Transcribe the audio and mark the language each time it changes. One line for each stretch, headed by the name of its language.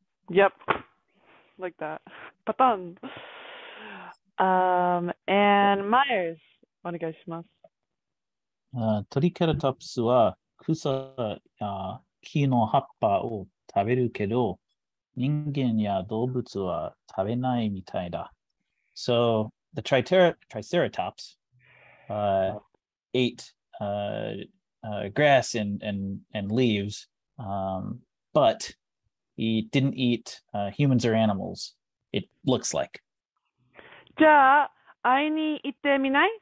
English: Yep. Like that. Patan. And Myers,
Japanese: お願いします。トリケラトプスは草や木の葉っぱを食べるけど、人間や動物は食べないみたいだ。
English: So the triceratops ate grass and leaves, but he didn't eat humans or animals, it looks like.
Japanese: じゃあ、会いに行ってみない?